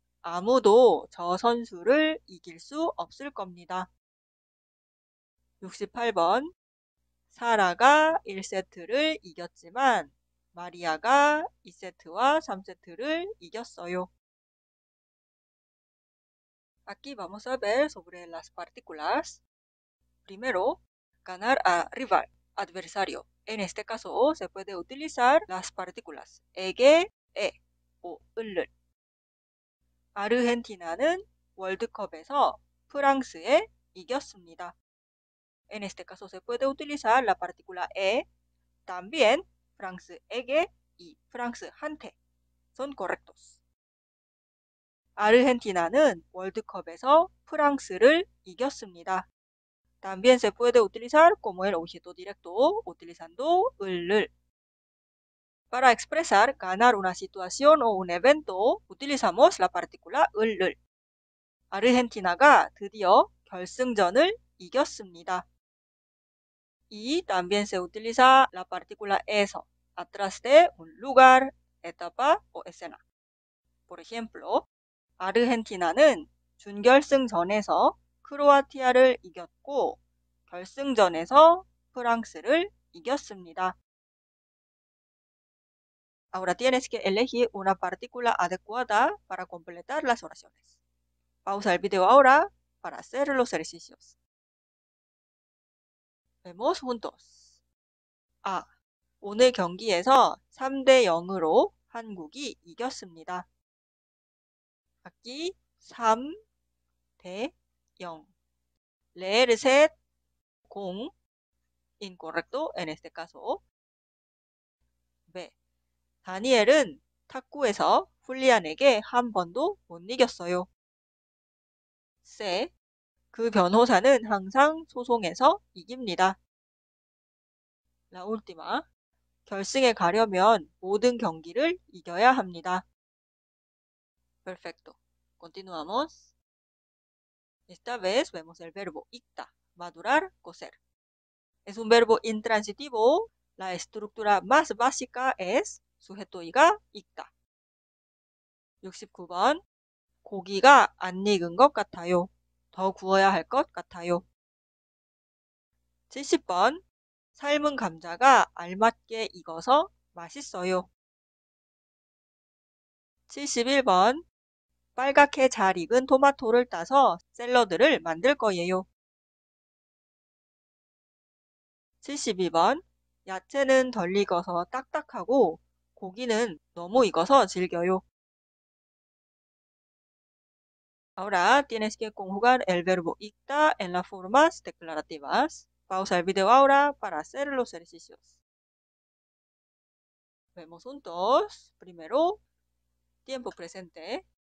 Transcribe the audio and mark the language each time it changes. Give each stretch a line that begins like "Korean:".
Korean: 아무도 저 선수를 이길 수 없을 겁니다. 68번. 사라가 1세트를 이겼지만 마리아가 2세트와 3세트를 이겼어요.
Spanish: Aquí vamos a ver sobre las partículas. Primero, ganar a rival, adversario. En este caso, se puede utilizar las partículas ege, e o el.
Korean: Argentina는 월드컵에서 프랑스에 이겼습니다.
Spanish: En este caso, se puede utilizar la partícula e, también, 프랑스에게 y 프랑스한테. Son correctos.
Korean: Argentina는 월드컵에서 프랑스를 이겼습니다.
Spanish: También se puede utilizar como el objeto directo, utilizando el. Para expresar ganar una situación o un evento, utilizamos la partícula el.
Korean: Argentina가 드디어 결승전을 이겼습니다.
Spanish: Y también se utiliza la partícula eso, atrás de un lugar, etapa o escena. Por ejemplo,
Korean: Argentina는 준결승전에서 크로아티아를 이겼고 결승전에서 프랑스를 이겼습니다.
Spanish: Ahora tienes que elegir una partícula adecuada para completar las oraciones. Pausa el video ahora para hacer los ejercicios. Vemos juntos. A.
Korean: 오늘 경기에서 3대 0으로 한국이 이겼습니다.
Spanish: Aquí 3 대 0. Leer set 0. Incorrecto en este caso. B.
Korean: 다니엘은 탁구에서 훌리안에게 한 번도 못 이겼어요.
Spanish: C.
Korean: 그 변호사는 항상 소송에서 이깁니다.
Spanish: La última.
Korean: 결승에 가려면 모든 경기를 이겨야 합니다.
Spanish: Perfecto. Continuamos. Esta vez vemos el verbo icta, madurar, cocer. Es un verbo intransitivo. La estructura más básica es sujeto y가 icta.
Korean: 69번. 고기가 안 익은 것 같아요. 더 구워야 할 것 같아요. 70번. 삶은 감자가 알맞게 익어서 맛있어요. 71번. 빨갛게 잘 익은 토마토를 따서 샐러드를 만들 거예요. 72번. 야채는 덜 익어서 딱딱하고 고기는 너무 익어서 질겨요.
Spanish: Ahora tienes que conjugar el verbo ictá en las formas declarativas. Pausa el video ahora para hacer los ejercicios. Vemos juntos. Primero, tiempo presente.